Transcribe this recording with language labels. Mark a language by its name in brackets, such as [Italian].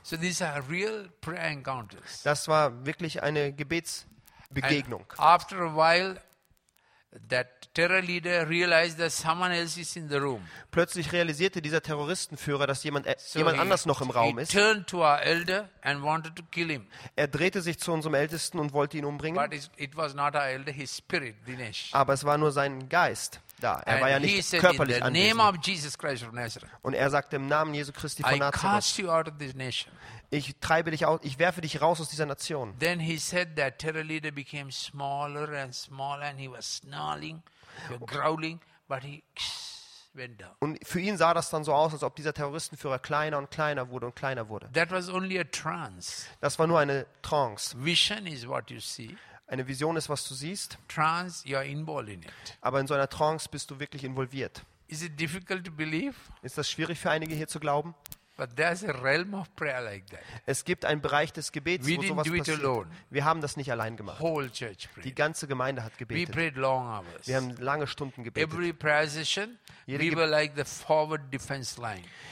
[English] So these are real prayer encounters. [German] Das war wirklich eine Gebetsbegegnung. [English] And after a while, that terror leader realized that someone else is in the room. [German] Plötzlich realisierte dieser Terroristenführer, dass jemand anders noch im Raum ist. [English] He turned to our elder and wanted to kill him. [German] Er drehte sich zu unserem Ältesten und wollte ihn umbringen. [English] But it was not our elder, his spirit, Dinesh. [German] Aber es war nur sein Geist da. Er war ja nicht körperlich anwesend. [English] In the name of Jesus Christ of Nazareth. [German] Und er sagte im Namen Jesu Christi von Nazareth. [English] I cast you out of this nation. [German] Ich treibe dich aus, ich werfe dich raus aus dieser Nation. [English] Then he said that terror leader became smaller and smaller and he was snarling, growling, but he went down. [German] Und für ihn sah das dann so aus, als ob dieser Terroristenführer kleiner und kleiner wurde und kleiner wurde. [English] That was only a trance. [German] Das war nur eine Trance. [English] Vision is what you see. [German] Eine Vision ist, was du siehst. [English] Trance, you are involved in it. [German] Aber in so einer Trance bist du wirklich involviert. [English] Is it difficult to believe? [German] Ist das schwierig für einige hier zu glauben? [English] But there's a realm of prayer like that. [German] Es gibt einen Bereich des Gebets, [English] we [German] wo sowas passiert. [English] Alone. [German] Wir haben das nicht allein gemacht. [English] Whole church prayed. [German] Die ganze Gemeinde hat gebetet. [English] We prayed long hours. [German] Wir haben lange Stunden gebetet. [English] Every prayer session, we were like the forward defense line.